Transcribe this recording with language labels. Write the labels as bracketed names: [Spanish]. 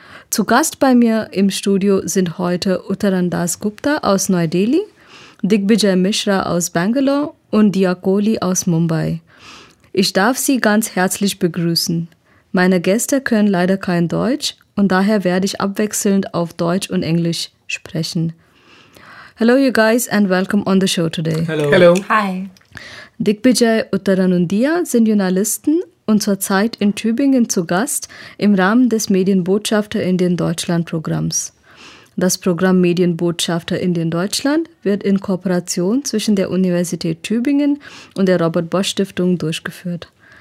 [German] Zu Gast bei mir im Studio sind heute Uttaran Das Gupta aus Neu-Delhi, Digbijay Mishra aus Bangalore und Diakoli aus Mumbai. Ich darf Sie ganz herzlich begrüßen. Meine Gäste können leider kein Deutsch und daher werde ich abwechselnd auf Deutsch und Englisch sprechen. [English] Hello you guys and welcome on the show today. Hello. Hi. [German] Digbijay, Uttaran und Dia sind Journalisten und zurzeit in Tübingen zu Gast im Rahmen des Medienbotschafter-Indien-Deutschland-Programms. Das Programm Medienbotschafter-Indien-Deutschland wird in Kooperation zwischen der Universität Tübingen und der Robert-Bosch-Stiftung durchgeführt.